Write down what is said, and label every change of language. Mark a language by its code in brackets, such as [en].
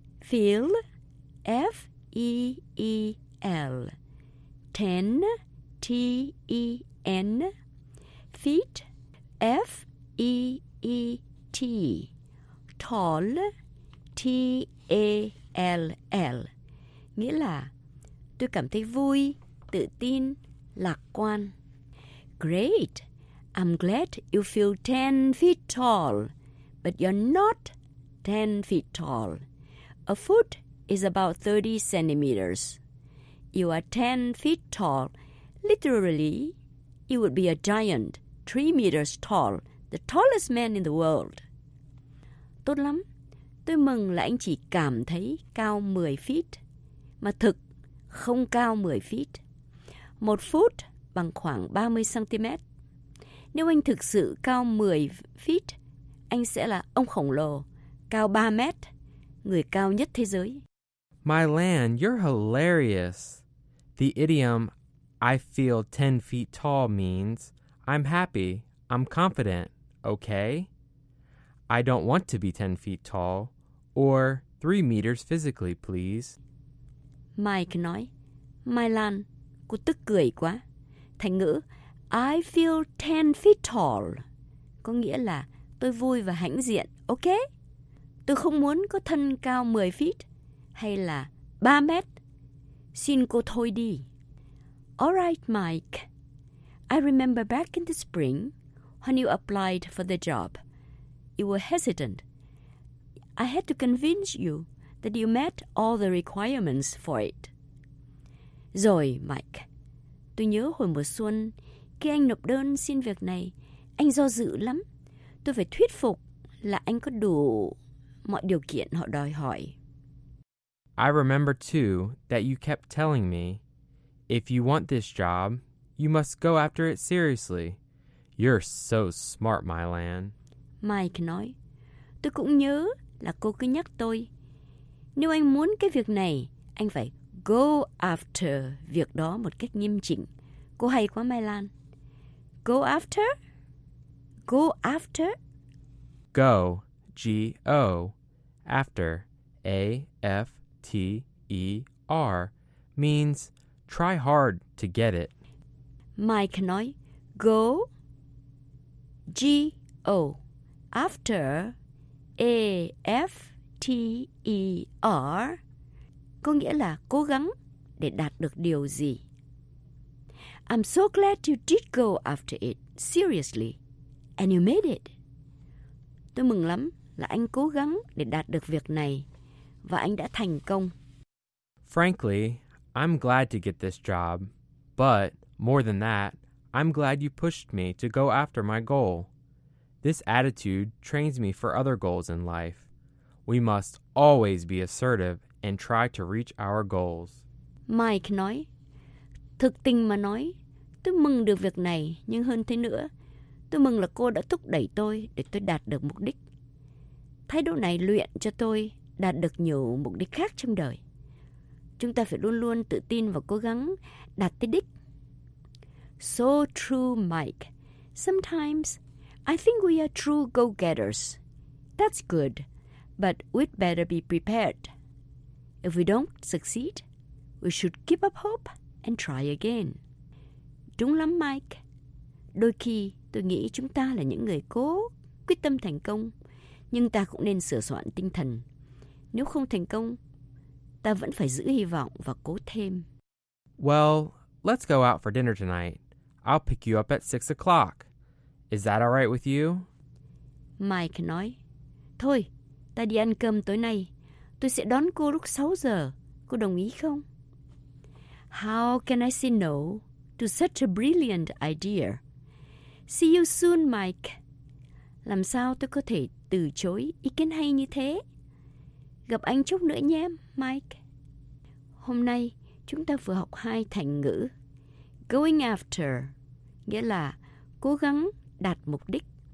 [en] Feel, F-E-E-L, 10, T-E-N, feet, F-E-E-T, tall, T-A-L-L. [vi] Nghĩa là, tôi cảm thấy vui, tự tin, lạc quan. [en] Great, I'm glad you feel 10 feet tall, but you're not 10 feet tall. A foot is about 30 centimeters. You are 10 feet tall. Literally, you would be a giant, 3 meters tall, the tallest man in the world. [vi] Tốt lắm. Tôi mừng là anh chỉ cảm thấy cao 10 feet, mà thực không cao 10 feet. Một foot bằng khoảng 30 centimet. Nếu anh thực sự cao 10 feet, anh sẽ là ông khổng lồ, cao 3 mét, người cao nhất thế giới. [en] Mylan, you're hilarious. The idiom, I feel 10 feet tall means, I'm happy, I'm confident, okay? I don't want to be 10 feet tall, or 3 meters physically, please. [vi] Mike nói, Mylan, cô tức cười quá. Thành ngữ, [en] I feel 10 feet tall, [vi] có nghĩa là tôi vui và hãnh diện, okay? Tôi không muốn có thân cao 10 feet. Hay là 3 mét. Xin cô thôi đi. [en] All right, Mike. I remember back in the spring when you applied for the job. You were hesitant. I had to convince you that you met all the requirements for it. [vi] Rồi, Mike. Tôi nhớ hồi mùa xuân, khi anh nộp đơn xin việc này, anh do dự lắm. Tôi phải thuyết phục là anh có đủ mọi điều kiện họ đòi hỏi. [en] I remember, too, that you kept telling me, if you want this job, you must go after it seriously. You're so smart, Mylan. [vi] Mike nói, Tôi cũng nhớ là cô cứ nhắc tôi, nếu anh muốn cái việc này, anh phải go after việc đó một cách nghiêm chỉnh. Cô hay quá Mai Lan. [en] Go after? Go after? Go, G-O, after, A-F-T-E-R, means try hard to get it. [vi] Mike nói, go, G-O, after, A-F-T-E-R, có nghĩa là cố gắng để đạt được điều gì. [en] I'm so glad you did go after it, seriously, and you made it. [vi] Tôi mừng lắm là anh cố gắng để đạt được việc này, và anh đã thành công. [en] Frankly, I'm glad to get this job, but more than that, I'm glad you pushed me to go after my goal. This attitude trains me for other goals in life. We must always be assertive and try to reach our goals. [vi] Mike nói, thực tình mà nói, tôi mừng được việc này, nhưng hơn thế nữa, tôi mừng là cô đã thúc đẩy tôi để tôi đạt được mục đích. Thái độ này luyện cho tôi đạt được nhiều mục đích khác trong đời. Chúng ta phải luôn luôn tự tin và cố gắng đạt tới đích. [en] So true, Mike. Sometimes I think we are true go-getters. That's good, but we'd better be prepared. If we don't succeed, we should keep up hope and try again. [vi] Đúng lắm, Mike. Đôi khi tôi nghĩ chúng ta là những người cố quyết tâm thành công, nhưng ta cũng nên sửa soạn tinh thần. Nếu không thành công, ta vẫn phải giữ hy vọng và cố thêm. [en] Well, let's go out for dinner tonight. I'll pick you up at 6 o'clock. Is that all right with you? [vi] Mike nói, thôi, ta đi ăn cơm tối nay. Tôi sẽ đón cô lúc 6 giờ. Cô đồng ý không? [en] How can I say no to such a brilliant idea? See you soon, Mike. [vi] Làm sao tôi có thể từ chối ý kiến hay như thế? Gặp anh chút nữa nhé, Mike. Hôm nay, chúng ta vừa học hai thành ngữ. Going after, nghĩa là cố gắng đạt mục đích.